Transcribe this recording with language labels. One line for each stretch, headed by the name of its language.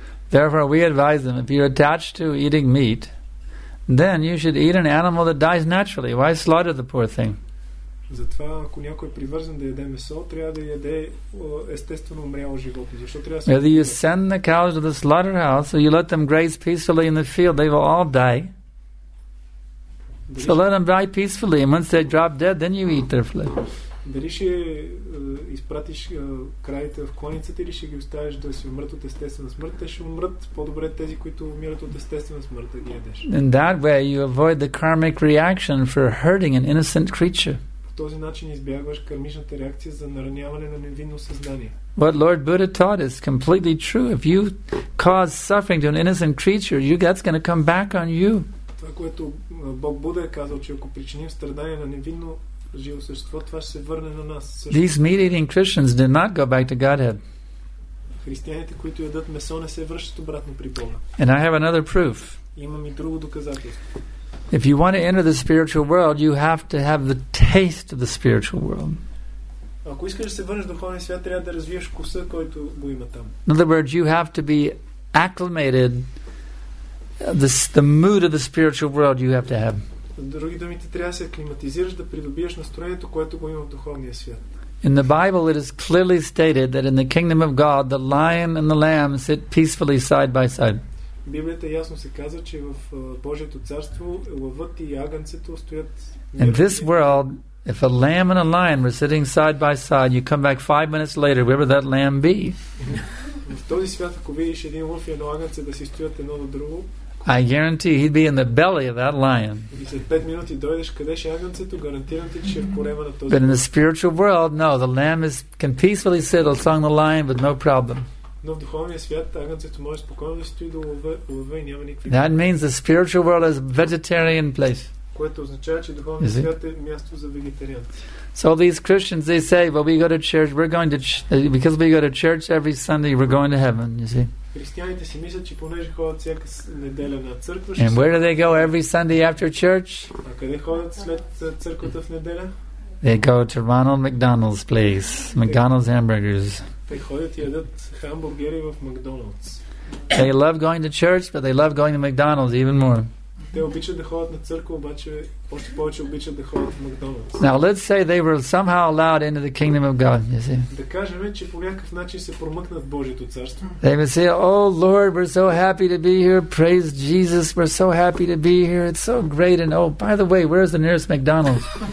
English: Therefore, we advise them, if you're attached to eating meat, then you should eat an animal that dies naturally. Why slaughter the poor thing?
Bulgarian: Затова, ако някой е привързан да яде месо, трябва да яде естествено умряло животно. Защо трябва да се?
English: Whether you send the cows to the slaughterhouse or you let them graze peacefully in the field, they will all die. So let them die peacefully, and once they drop dead, then you eat their flesh.
Bulgarian: Дали ще изпратиш краите в коницата или ще ги оставиш да си умрат от естествена смърт, те ще умрат по-добре тези, които умират от естествена смърт, да ги ядеш.
English: In that way, you avoid the karmic reaction for hurting an innocent creature.
Bulgarian: Този начин избягваш кармичната реакция за нараняване на невинно създание.
English: What Lord Buddha taught is completely true. If you cause suffering to an innocent creature, that's going to come back on you.
Bulgarian: Това, което Бог Буда е казал, че ако причиним страдание на невинно живо същество, това ще се върне на нас.
English: These meat-eating Christians did not go back to Godhead.
Bulgarian: Християните, които ядат месо, не се връщат обратно при Бога.
English: And I have another proof.
Bulgarian: Имам и друго доказателство.
English: If you want to enter the spiritual world, you have to have the taste of the spiritual world.
Bulgarian: Ако искаш да се върнеш в духовния свят, трябва да развиеш вкуса, който го има там.
English: In other words, you have to be acclimated the mood of the spiritual world you have to have.
Bulgarian: Други думи, трябва да се аклиматизираш да придобиеш настроението, което го има в духовния свят.
English: In the Bible it is clearly stated that in the kingdom of God the lion and the lamb sit peacefully side by side.
Bulgarian: В Библията ясно се казва, че в Божието царство лъвът и агънцето стоят.
English: In this world, if a lamb and a lion were sitting side by side, you come back 5 minutes later, where would that lamb be?
Bulgarian: В този свят, ако видиш един лъв и едно агънце да си стоят едно на друго,
English: I guarantee he'd be in the belly of that lion. But in the spiritual world, no, the lamb can peacefully sit along the lion with no problem.
Bulgarian: Но в духовния свят агънцето може спокойно да стои до лъва и няма никакви.
English: That means the spiritual world is a vegetarian place.
Bulgarian: Което означава, че духовният свят е място за вегетарианци.
English: So these Christians, they say, well, we go to church, we're going to because we go to church every Sunday, we're going to heaven, you see.
Bulgarian: Християните си мислят, че понеже ходят всяка неделя на църква,
English: ще. And where do they go every Sunday after church?
Bulgarian: А къде ходят след църквата в неделя?
English: They go to Ronald McDonald's place, McDonald's hamburgers.
Bulgarian: They ходят и ядат хамбургери в McDonald's.
English: They love going to church, but they love going to McDonald's even more.
Bulgarian: Те обичат да ходят на църква, обаче още повече обичат да ходят в McDonald's.
English: Now let's say they were somehow allowed into the kingdom of God, you see.
Bulgarian: Да кажем, че по някакъв начин се промъкнат в Божието царство.
English: They would say, oh Lord, we're so happy to be here. Praise Jesus, we're so happy to be here. It's so great. And oh, by the way, where's the nearest McDonald's?